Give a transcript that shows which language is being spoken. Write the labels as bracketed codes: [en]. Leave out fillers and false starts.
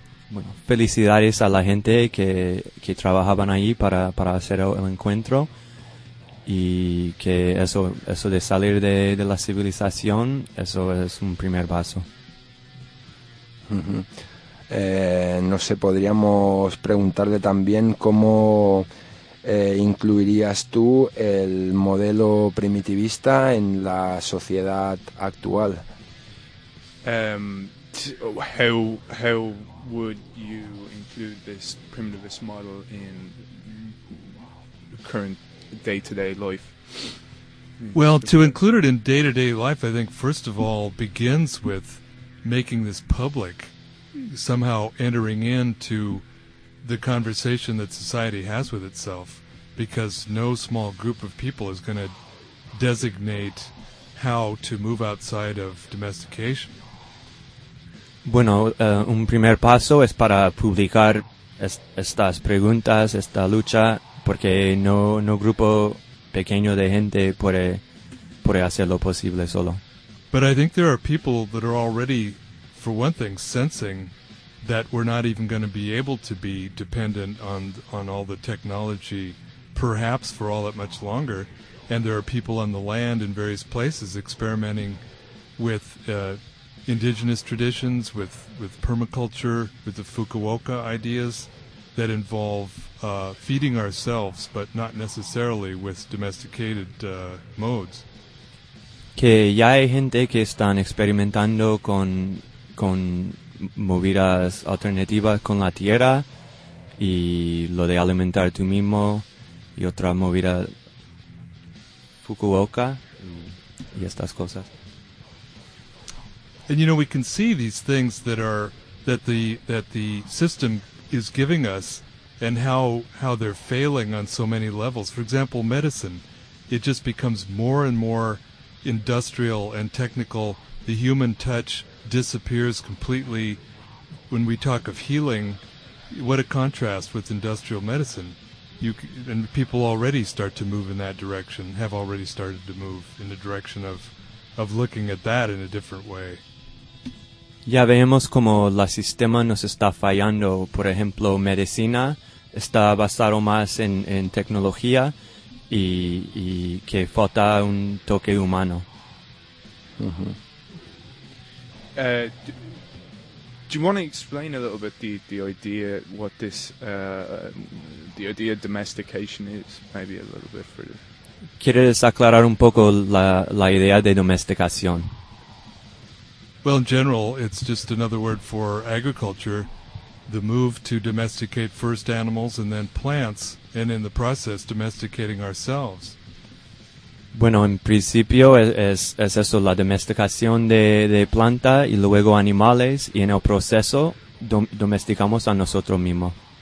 [es] Bueno, felicidades a la gente que trabajaban ahí para hacer el encuentro, y que eso de salir de la civilización, eso es un primer paso. Mm-hmm. No sé, podríamos preguntarle también cómo ¿Incluirías tú el modelo primitivista en la sociedad actual? [en] How would you include this primitivist model in current day-to-day life? Well, to include it in day-to-day life, I think first of all begins with making this public, somehow entering into the conversation that society has with itself, because no small group of people is going to designate how to move outside of domestication. [es] Bueno, un primer paso es para publicar estas preguntas, esta lucha, porque no grupo pequeño de gente puede hacerlo posible solo. [en] But I think there are people that are already, for one thing, sensing that we're not even going to be able to be dependent on all the technology, perhaps for all that much longer. And there are people on the land in various places experimenting with indigenous traditions, with permaculture, with the Fukuoka ideas that involve feeding ourselves, but not necessarily with domesticated modes. [es] Que ya hay gente que están experimentando con movidas alternativas con la tierra y lo de alimentar tú mismo y otra movida Fukuoka y estas cosas. [en] And you know, we can see these things that the system is giving us and how they're failing on so many levels. For example, medicine, it just becomes more and more industrial and technical. The human touch disappears completely. When we talk of healing, what a contrast with industrial medicine. And people already start to move in that direction, have already started to move in the direction of looking at that in a different way. [es] Ya vemos como el sistema nos está fallando. Por ejemplo, medicina está basado más en tecnología y que falta un toque humano. [en] Do you want to explain a little bit the idea, what this the idea of domestication is? Maybe a little bit further. [es] ¿Quieres aclarar un poco la idea de domesticación? [en] Well, in general, it's just another word for agriculture, the move to domesticate first animals and then plants, and in the process, domesticating ourselves. [es] Bueno, en principio es eso, la domesticación de planta y luego animales, y en el proceso domesticamos a nosotros mismos.